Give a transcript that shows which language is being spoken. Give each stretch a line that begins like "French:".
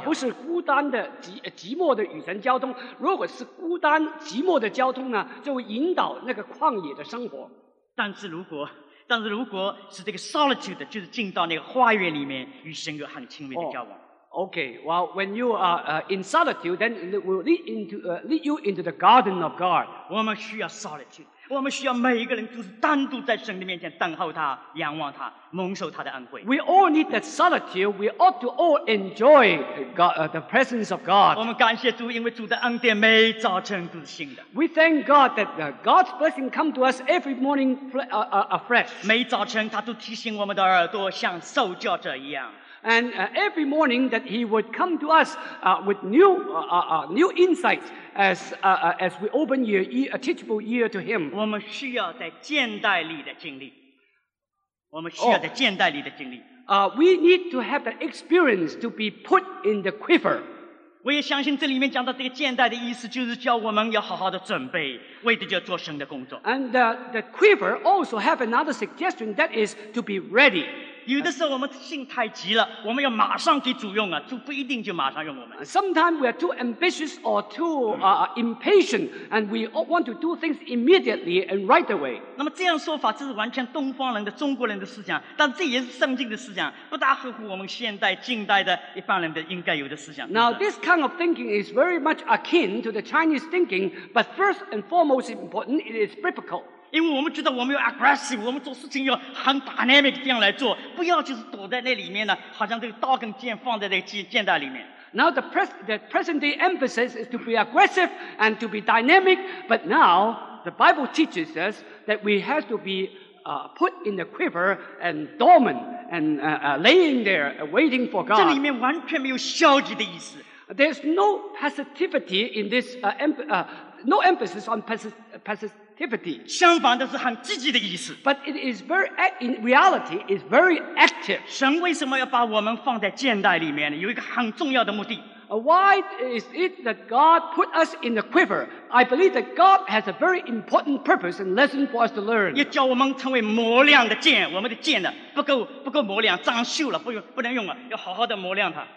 Chinese: 不是孤单的寂寞的与神交通。如果是孤单寂寞的交通呢，就会引导那个旷野的生活。但是如果是这个 solitude， 就是进到那个花园里面，与神有很亲密的交往。
English: Okay, well, when you are in solitude, then it will lead you into the garden of God.
Chinese: 我们需要 solitude。我们需要每一个人都是单独在神的面前等候他，仰望他，蒙受他的恩惠。
English: We all need that solitude. We ought to all enjoy the presence of God.
Chinese: 我们感谢主，因为主的恩典每早晨都是新的。
English: We thank God that God's blessing come to us every morning afresh.
Chinese: 每早晨他都提醒我们的耳朵像受教者一样。
English: And every morning that he would come to us with new insights as we open a teachable ear to him.
Chinese: 我们需要在剑袋里的经历。我们需要在剑袋里的经历。
English: We need to have that experience to be put in the quiver.
Chinese: 我也相信这里面讲到这个剑袋的意思，就是叫我们要好好的准备，为的就要做神的工作。
English: And the quiver also have another suggestion, that is to be ready.
Chinese: 有的时候我们信太急了，我们要马上给主用啊，主不一定就马上用我们。
English: Sometimes we are too ambitious or too impatient, and we want to do things immediately and right away.
Chinese: 那么这样说法，这是完全东方人的、中国人的思想，但这也是圣经的思想，不大合乎我们现代、近代的一般人的应该有的思想。
English: Now this kind of thinking is very much akin to the Chinese thinking, but first and foremost important, it is biblical.
Chinese: 因为我们觉得我们要 aggressive， 我们做事情要很 dynamic 这样来做，不要就是躲在那里面呢，好像这个刀跟剑放在那剑袋里面。
English: Now the present day emphasis is to be aggressive and to be dynamic, but now the Bible teaches us that we have to be put in the quiver and dormant and laying there waiting for God.
Chinese: 这里面完全没有消极的意思。
English: There's no passivity in this no emphasis on passivity.
Chinese: 相反的是很积极的意思。
English: But it is in reality, it's very active.
Chinese: 神为什么要把我们放在箭袋里面呢？有一个很重要的目的。
English: Why is it that God put us in the quiver? I believe that God has a very important purpose and lesson for us to learn.
Chinese: 要叫我们成为磨亮的箭，我们的箭呢不够磨亮，长锈了，不能用了，要好好的磨亮它。